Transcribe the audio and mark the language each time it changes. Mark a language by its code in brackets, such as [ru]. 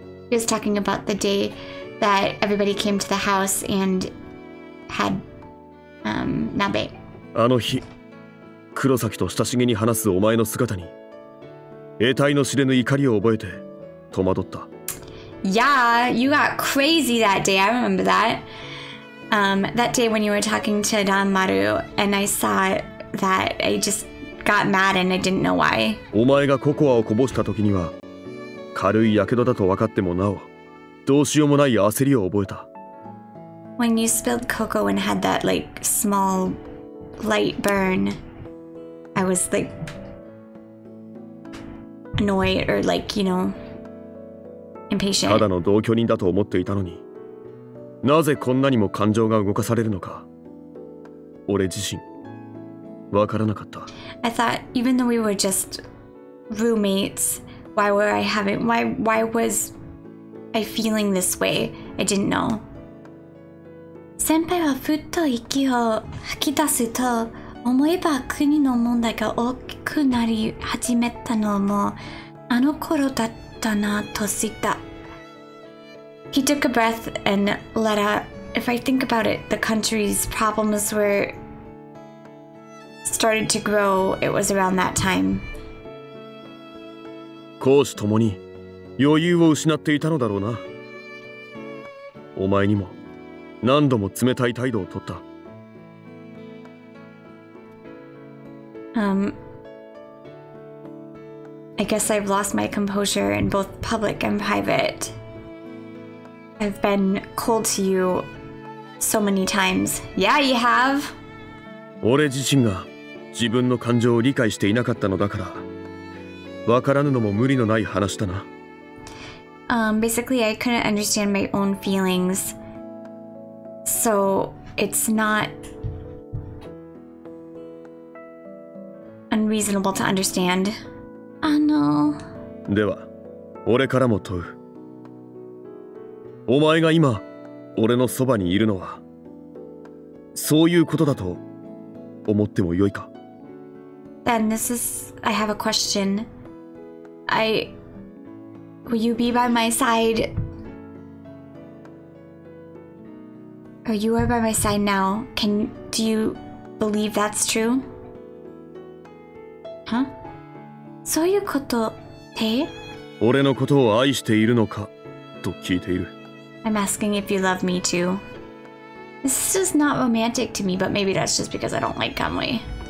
[en] He was talking about the day that everybody came to the house and had. [ja] 鍋。あの日、黒崎と親しげに話すお前の姿に、得体の知れぬ怒りを覚えて戸惑った。 [en] Yeah, you got crazy that day. I remember that. That day when you were talking to Danmaru, and I saw that I just got mad and I didn't know why. [ja] お前がココアをこぼした時には、軽い火傷だと分かってもなお、どうしようもない焦りを覚えた。 [en] When you spilled cocoa and had that like small light burn, I was like annoyed or like, you know, impatient. [ja] ただの同居人だと思っていたのに、なぜこんなにも感情が動かされるのか、俺自身わからなかった。 [en] I thought even though we were just roommates, why was I feeling this way? I didn't know. [ja] 先輩はふっと息を吐き出すと、思えば国の問題が大きくなり始めたのもあの頃だったなと知った。 [en] He took a breath and let out. If I think about it, the country's problems were started to grow. It was around that time. [ja] 公私ともに余裕を失っていたのだろうな。お前にも。何度も冷たい態度を取った。 [en] I guess I've lost my composure in both public and private. I've been cold to you so many times. Yeah, you have! [ja] 俺自身が自分の感情を理解していなかったのだから、分からぬのも無理のない話だな。 [en] Basically, I couldn't understand my own feelings.So it's not unreasonable to understand. [ja] では、俺からも問う。お前が今、俺のそばにいるのは、そういうことだと思ってもよいか? [en] Then this is... I have a question. Will you be by my side? Or you are by my side now. Do you believe that's true? [ja] Huh? そういうことって ? 俺のことを愛しているのか? と聞いている。 [en] I'm asking if you love me too. This is just not romantic to me, but maybe that's just because I don't like Kamui.